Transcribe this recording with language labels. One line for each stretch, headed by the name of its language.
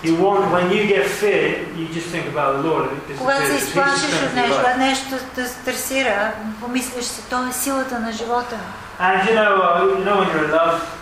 English: You want when you get fear, you just think about the Lord.
Bulgarian: Когато се изплашиш от нещо, нещо те стресира, помислиш си, той е силата на живота.
English: And you know when you're in love.